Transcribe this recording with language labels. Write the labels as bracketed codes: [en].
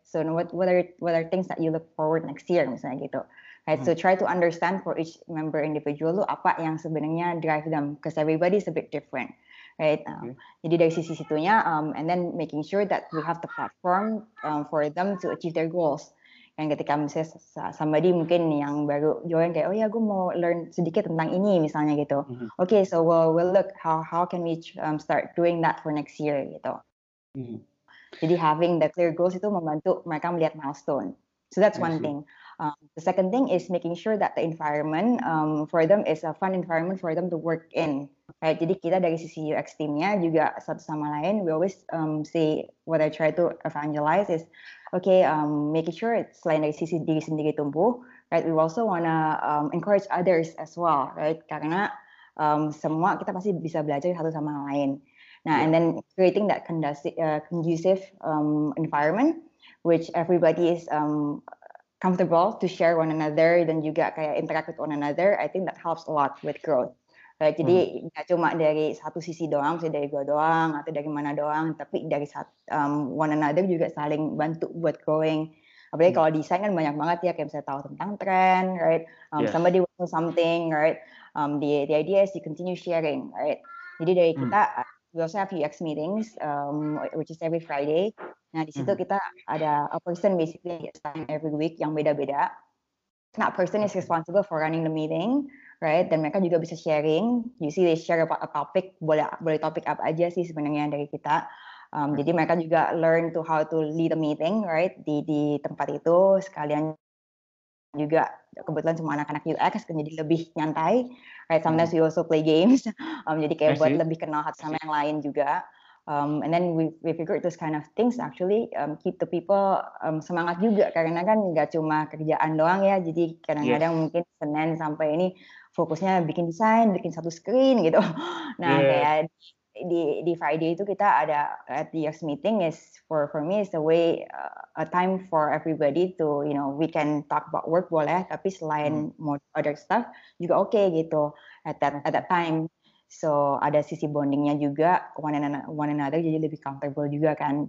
[en] So what are things that you look forward next year, [id] misalnya gitu, [en] right? So try to understand for each member individual [id] lu apa yang sebenarnya [en] drive them, because everybody is a bit different. Right. [id] Jadi dari sisi situnya, [en] and then making sure that we have the platform for them to achieve their goals. [id] Yang ketika misalnya somebody mungkin yang baru join kayak, oh ya, gue mau learn sedikit tentang ini misalnya gitu. [en] Okay, so we'll look how can we start doing that for next year gitu. [id] Jadi [en] having the clear goals [id] itu membantu mereka melihat [en] milestone. So that's one thing. The second thing is making sure that the environment for them is a fun environment for them to work in. [id] Right? Jadi kita dari sisi UX team-nya juga satu sama lain, [en] we always say what I try to evangelize is, okay, making sure it's [id] selain dari sisi diri sendiri tumbuh, right? [en] We also wanna encourage others as well, right? [id] Karena semua kita pasti bisa belajar satu sama lain. [en] Nah, and then creating that conducive environment, which everybody is comfortable to share one another, [id] dan juga kayak [en] interact with one another, I think that helps a lot with growth. Right? [id] Jadi nggak cuma dari satu sisi doang, sih dari gua doang atau dari mana doang, tapi dari [en] one another [id] juga saling bantu buat growing. Apalagi kalau desain kan banyak banget ya, kayak misalnya tahu tentang tren, right? [en] Somebody works on something, right? The idea is to continue sharing, right? [id] Jadi dari kita, [en] we also have UX meetings, which is every Friday. [id] Nah, di situ kita ada [en] a person basically assigned every week [id] yang beda-beda. [en] That person is responsible for running the meeting, right? [id] Dan mereka juga bisa sharing. [en] You see, they share about a topic, [id] boleh topik apa aja sih sebenarnya dari kita. Jadi mereka juga [en] learn to how to lead a meeting, right? [id] Di tempat itu sekalian juga kebetulan semua anak-anak UX jadi lebih nyantai, right? [en] Sometimes we also play games. [id] Jadi kayak buat lebih kenal satu sama yang lain juga. [en] And then we figured those kind of things actually keep the people [id] semangat juga, karena kan nggak cuma kerjaan doang ya, jadi kadang-kadang mungkin Senin sampai ini fokusnya bikin desain, bikin satu screen gitu. Nah kayak di Friday itu kita ada [en] at the UX meeting is for me is a way a time for everybody to, you know, we can talk about work [id] boleh, tapi selain [en] more other stuff juga okay gitu at that time. [id] So ada sisi bondingnya juga, one another jadi lebih comfortable juga kan.